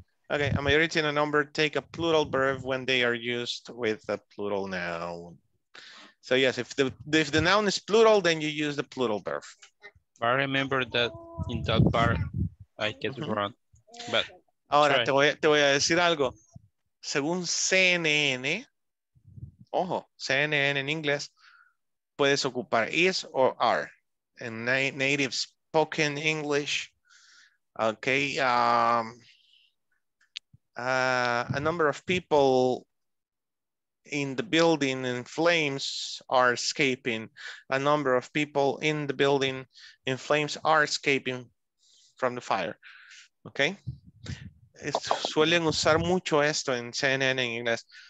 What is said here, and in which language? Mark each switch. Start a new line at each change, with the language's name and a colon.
English: Okay, a majority and a number take a plural verb when they are used with a plural noun. So yes, if the noun is plural, then you use the plural verb. I remember that in that part, I get wrong. But
Spanish: ahora te voy a decir algo. Según CNN, ojo, CNN en inglés, puedes ocupar
English: is or are. In native spoken English, okay, a number of people in the building in flames are escaping. A number of people in the building in flames are escaping from the fire. Okay?
Spanish: Suelen usar mucho esto en CNN en inglés.